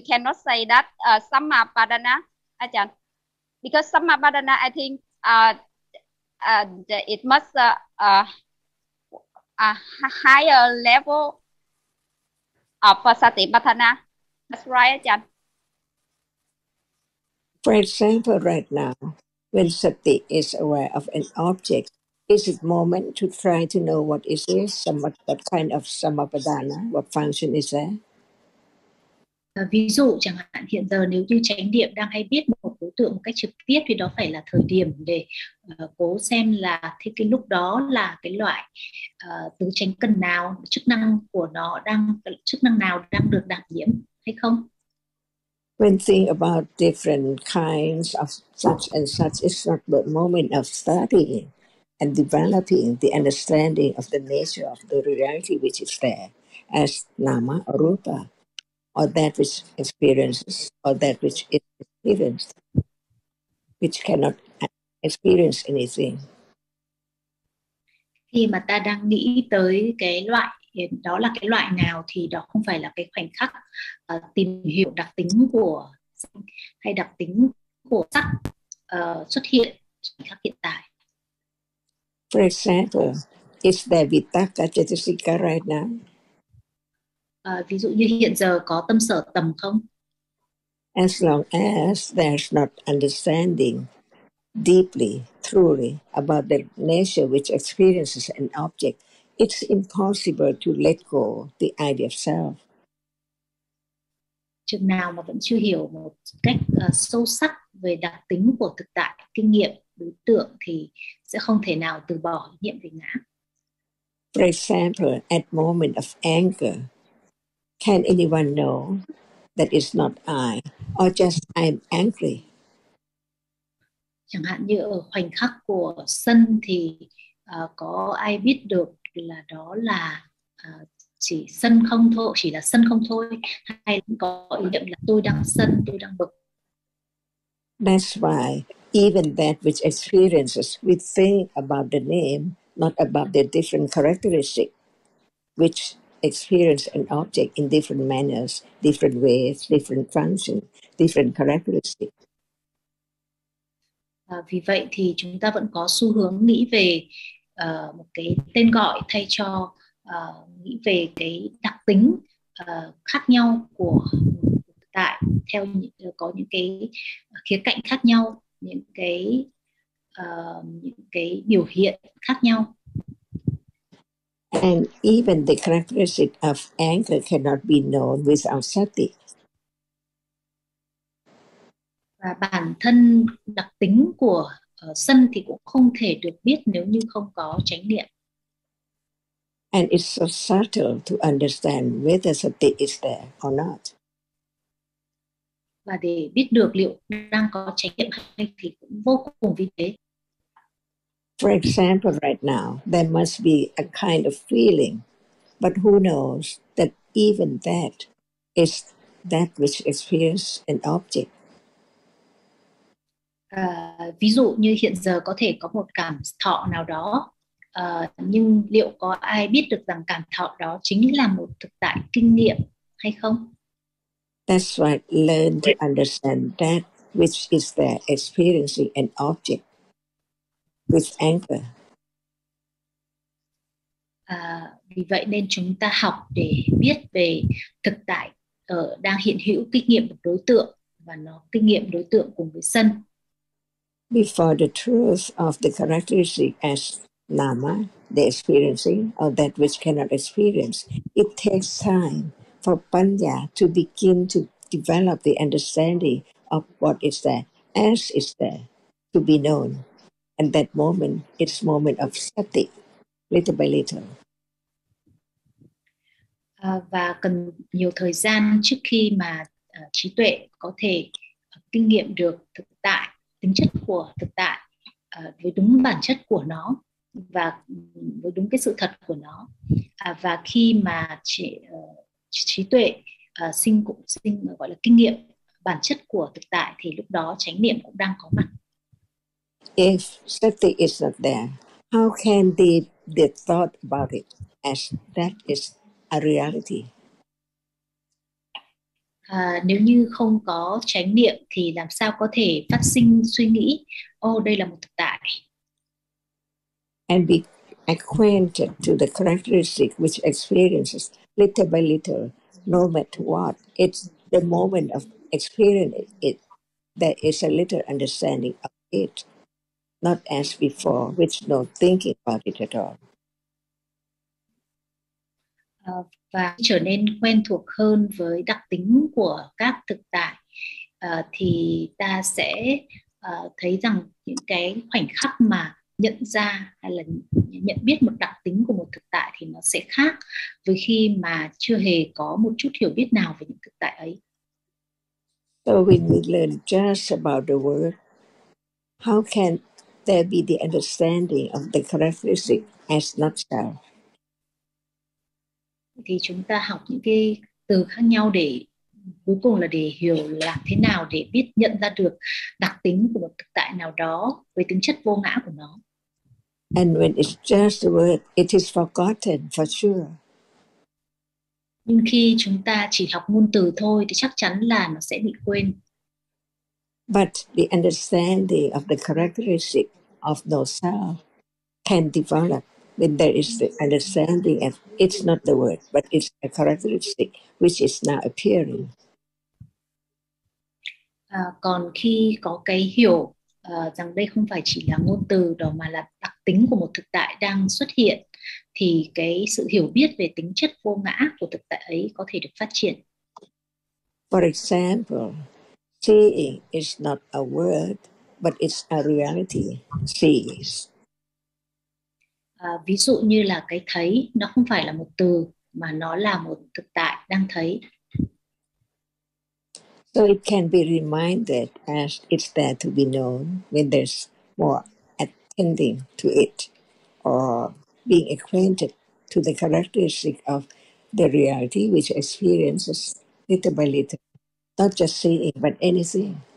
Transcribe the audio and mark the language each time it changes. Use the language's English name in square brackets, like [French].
[English] We cannot say that Sammapadana, Ajahn. Because Sammapadana, I think, it must a higher level of Satipatthana. That's right, Ajahn. For example, right now, when Sati is aware of an object, is it moment to try to know what it is, somewhat that kind of Samapadana, what function is there? [Vietnamese] Ví dụ chẳng hạn hiện giờ nếu như chánh niệm đang hay biết một đối tượng một cách trực tiếp thì đó phải là thời điểm để cố xem là thế cái lúc đó là cái loại tứ chánh cần nào, chức năng của nó đang chức năng nào đang được đảm nhiệm hay không. [English] When thinking about different kinds of such and such, it's not the moment of studying and developing the understanding of the nature of the reality which is there as nama or rupa. Or that which experiences, or that which is experienced, which cannot experience anything. [Vietnamese] Khi mà ta đang nghĩ tới cái loại đó là cái loại nào thì đó không phải là cái khoảnh khắc tìm hiểu đặc tính của hay đặc tính của sắc xuất hiện khoảnh khắc hiện tại. [English] For example, is there vitakka chetasika right now? [Vietnamese] Ví dụ như hiện giờ có tâm sở tầm không? [English] As long as there's not understanding deeply, truly about the nature which experiences an object, it's impossible to let go the idea of self. [Vietnamese] Chừng nào mà vẫn chưa hiểu một cách sâu sắc về đặc tính của thực tại, kinh nghiệm, đối tượng thì sẽ không thể nào từ bỏ niệm về ngã. [English] For example, at moment of anger, can anyone know that it's not I, or just I'm angry? [Vietnamese] Chẳng hạn như ở khoảnh khắc của sân thì có ai biết được là đó là chỉ sân không thôi, chỉ là sân không thôi, hay có ý niệm là tôi đang sân, tôi đang bực? [English] That's why even that which experiences, we think about the name, not about the different characteristic, which experience an object in different manners, different ways, different functions, different characteristics. [Vietnamese] Vì vậy thì chúng ta vẫn có xu hướng nghĩ về một cái tên gọi thay cho nghĩ về cái đặc tính khác nhau của thực tại theo có những cái khía cạnh khác nhau, những cái biểu hiện khác nhau. [English] And even the characteristic of anger cannot be known without sati. [Vietnamese] Và bản thân đặc tính của sân thì cũng không thể được biết nếu như không có chánh niệm. [English] And it's so subtle to understand whether sati is there or not. [Vietnamese] Và để biết được liệu đang có chánh niệm hay thì cũng vô cùng vi tế. [English] For example, right now, there must be a kind of feeling But who knows that even that is that which experiences an object. [Vietnamese] Ví dụ như hiện giờ có thể có một cảm thọ nào đó, nhưng liệu có ai biết được rằng cảm thọ đó chính là một thực tại kinh nghiệm hay không? [English] That's right, learn to understand that which is there experiencing an object with anger. [Vietnamese] Vì vậy nên chúng ta học để biết về thực tại đang hiện hữu kinh nghiệm một đối tượng và nó kinh nghiệm đối tượng cùng với sân. [English] Before the truth of the characteristic as nama, the experiencing or that which cannot experience, it takes time for panya to begin to develop the understanding of what is there as is there to be known. And that moment, it's moment of sati, little by little. [Vietnamese] Và cần nhiều thời gian trước khi mà trí tuệ có thể kinh nghiệm được thực tại, tính chất của thực tại với đúng bản chất của nó và với đúng cái sự thật của nó. Và khi mà trí tuệ sinh gọi là kinh nghiệm bản chất của thực tại thì lúc đó chánh niệm cũng đang có mặt. [English] If sati is not there, how can the thought about it as that is a reality? [Vietnamese] Nếu như không có chánh niệm thì làm sao có thể phát sinh suy nghĩ đây là một thực tại? [English] And be acquainted to the characteristic which experiences little by little, no matter what. It's the moment of experiencing it that is a little understanding of it, not as before, which no thinking about it at all. [Vietnamese] Và trở nên quen thuộc hơn với đặc tính của các thực tại thì ta sẽ thấy rằng những cái khoảnh khắc mà nhận ra hay là nhận biết một đặc tính của một thực tại thì nó sẽ khác với khi mà chưa hề có một chút hiểu biết nào về những thực tại ấy. [English] So when we learn just about the world, how can there be the understanding of the characteristic as not self? [Vietnamese] Thì chúng ta học những cái từ khác nhau để cuối cùng là để hiểu làm thế nào để biết nhận ra được đặc tính của một thực tại nào đó với tính chất vô ngã của nó. [English] And when it's just a word, it is forgotten for sure. [Vietnamese] Nhưng khi chúng ta chỉ học ngôn từ thôi thì chắc chắn là nó sẽ bị quên. [English] But the understanding of the characteristic of no self can develop. When there is the understanding of it's not the word, but it's a characteristic which is now appearing. [Vietnamese] Còn khi có cái hiểu rằng đây không phải chỉ là ngôn từ đó mà là đặc tính của một thực tại đang xuất hiện, thì cái sự hiểu biết về tính chất vô ngã của thực tại ấy có thể được phát triển. [English] For example, seeing is not a word, but it's a reality. Sees. [Vietnamese] Ví dụ như là cái thấy, nó không phải là một từ, mà nó là một thực tại đang thấy. [English] So it can be reminded as it's there to be known when there's more attending to it or being acquainted to the characteristic of the reality which experiences little by little, not just seeing, but anything.